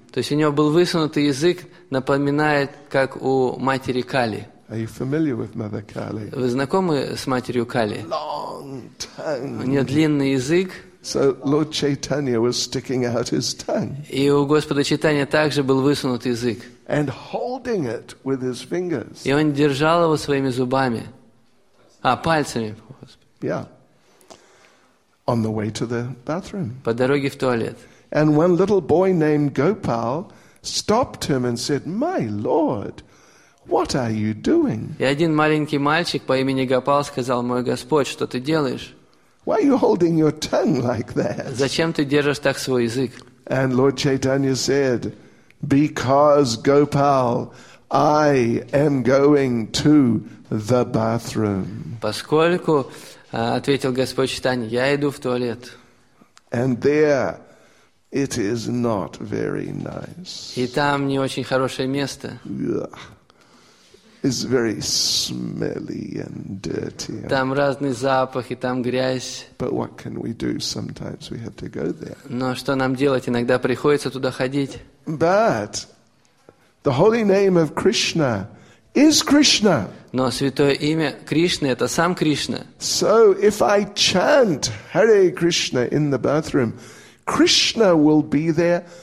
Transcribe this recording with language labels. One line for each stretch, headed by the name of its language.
Russian: То есть у него был высунутый язык, напоминает, как у матери Кали.
English: Are you familiar with Mother Kali?
Russian: Вы знакомы с матерью Кали?
English: Long tongue.
Russian: У нее длинный язык.
English: So Lord Chaitanya was sticking out his tongue.
Russian: И у Господа Чайтанья также был высунут язык.
English: And holding it with his fingers.
Russian: И он держал его своими зубами. А, пальцами.
English: Yeah. On the way to the bathroom.
Russian: По дороге в туалет.
English: And one little boy named Gopal stopped him and said, "My Lord, what are you doing?"
Russian: И один маленький мальчик по имени Гопал сказал: "Мой Господь, что ты делаешь?"
English: "Why are you holding your tongue like that?"
Russian: Зачем ты держишь так свой язык?
English: And Lord Chaitanya said, "Because Gopal, I am going to the bathroom."
Russian: Поскольку, ответил Господь Чайтанья, я иду в туалет.
English: And there it is not very nice.
Russian: И там не очень хорошее место.
English: It's very smelly and dirty.
Russian: Там разный запах, и там грязь.
English: But what can we do? Sometimes we have to go there.
Russian: Но что нам делать? Иногда приходится туда ходить.
English: But the holy name of Krishna is Krishna.
Russian: Но святое имя Кришны – это сам Кришна.
English: So if I chant Hare Krishna in the bathroom, Krishna will be there.